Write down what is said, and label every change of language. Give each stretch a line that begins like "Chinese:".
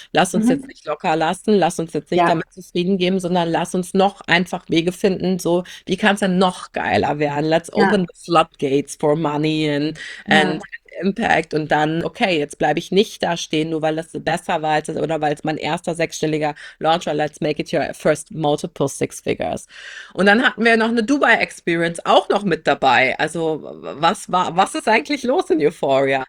German: Lass uns jetzt nicht locker lassen, lass uns jetzt nicht damit zufrieden geben, sondern lass uns noch einfach Wege finden. So, wie kann es denn noch geiler werden?
English: Let's open the floodgates for money and Impact
German: und dann, okay, jetzt bleibe ich nicht da stehen, nur weil das besser war als das, oder weil es mein erster sechsstelliger Launch war.
English: Let's make it your first multiple six figures.
German: Und dann hatten wir noch eine Dubai Experience auch noch mit dabei. Also, was ist eigentlich los in Euphoria?